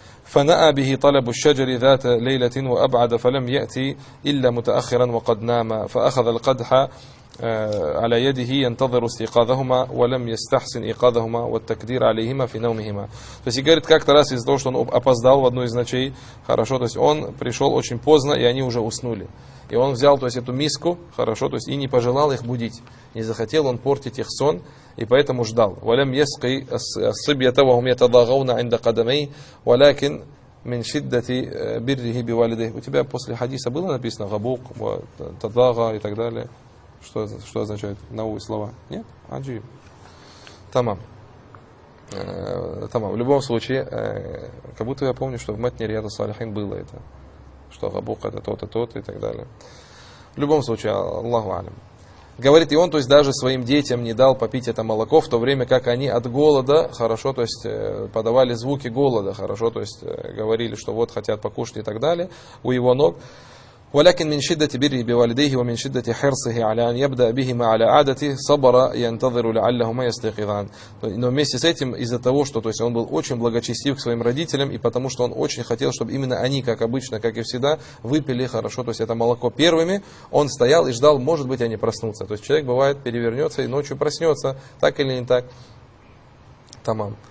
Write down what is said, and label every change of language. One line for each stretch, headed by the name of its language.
Arabic: فَنَأَى بِهِ طَلَبُ الشَّجَرِ ذَاتَ لَيْلَةٍ وَأَبْعَدَ فَلَمْ يَأْتِي إِلَّا مُتَأَخِّرًا وَقَدْ نَامَ فَأَخَذَ الْقَدْحَ عَلَى يَدِهِ يَنْتَظِرُ اسْتِيقَاظَهُمَا وَلَمْ يَسْتَحْسِنْ إِيقَاظَهُمَا وَالتَّكْدِيرَ عَلَيْهِمَا فِي نَوْمِهِمَا.
Russian: То есть, говорит, как-то раз из-за того, что он опоздал в одну из ночей, хорошо, то есть он пришел очень поздно, и они уже уснули. И он взял, то есть, эту миску, хорошо, то есть, и не пожелал их будить. Не захотел он портить их сон, и поэтому ждал.
Arabic: وَلَمْ يَسْقِي الصِّبْيَةَ وَهُمْ يَتَضَاغَوْنَ عِنْدَ قَدَمَيْهِ وَلَكِنْ مِنْ شِدَّةِ بِرِّهِ بِوَالِدَيْهِ.
Russian: У тебя после хадиса было написано «габук», «тадага» и так далее? Что означает новые слова? Нет? Аджи. Тамам. Тамам. В любом случае, как будто я помню, что в Матне Рияду Салихин было это. Что габук это тот и тот и так далее. В любом случае,
Arabic: Аллаху алим.
Russian: Говорит, и он, то есть, даже своим детям не дал попить это молоко, в то время как они от голода, хорошо, то есть, подавали звуки голода, хорошо, то есть, говорили, что вот хотят покушать и так далее, у его ног.
Arabic: ولكن من شدة بره بوالديه ومن شدة حرصه على أن يبدأ بهما على عادته صبر ينتظر لعلهما يستيقظان.
Russian: Но вместе с этим, из-за того, что то есть он был очень благочестив к своим родителям, и потому что он очень хотел, чтобы именно они, как обычно, как и всегда, выпили хорошо, то есть это молоко первыми, он стоял и ждал, может быть, они проснутся. То есть человек бывает перевернется и ночью проснется, так или не так. Тамам.